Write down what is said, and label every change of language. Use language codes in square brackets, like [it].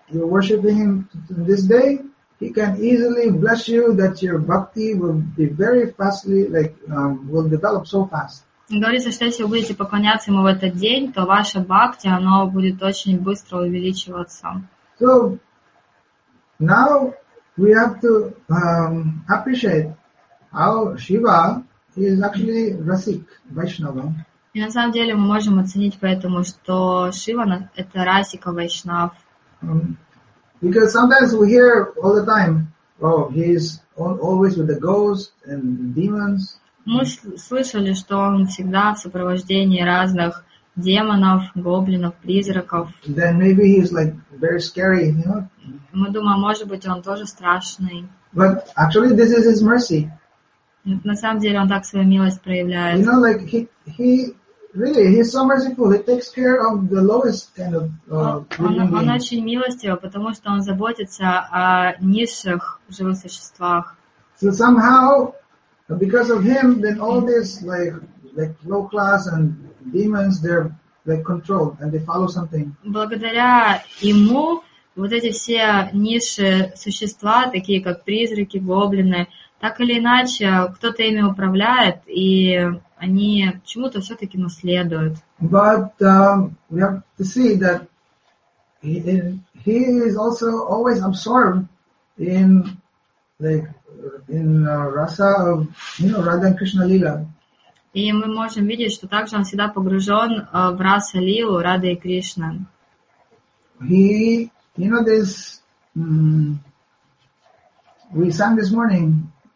[en] you're worshiping him this day, he can easily bless you that your bhakti will be very fastly, like, will develop so fast. [ru] Говорится, что если вы будете поклоняться ему в этот день, то ваша бхакти, она будет очень быстро увеличиваться. [en] So, now we have to appreciate how Shiva is actually Rasik, Vaishnava. [ru] И на самом деле мы можем оценить поэтому, что Шива — это Расика Вайшнав. [en] Because sometimes we hear all the time, oh, he is always with the ghosts and demons. [ru] Мы слышали, что он всегда в сопровождении разных демонов, гоблинов, призраков. [en] Then maybe he's like very scary, you know? [ru] Мы думаем, может быть, он тоже страшный. [en] But actually this is his mercy. [ru] На самом деле он так свою милость проявляет. [en] You know, like he's so merciful. He takes care of the lowest kind of [ru] Он очень милостивый, потому что он заботится о низших живых существах. [en] So somehow, because of him, then all these like low class and demons, they're like controlled and they follow something. [ru] Благодаря ему вот эти все низшие существа, такие как призраки, гоблины, так или иначе, кто-то ими управляет, и они чему-то все-таки наследуют. [en] But we have to see that he is also always absorbed in rasa of, you know, Radha and Krishna Lila. [ru] И мы можем видеть, что также он всегда погружен в раса Лилу, Рада и Кришна. [en] He, you know, this we sang this morning.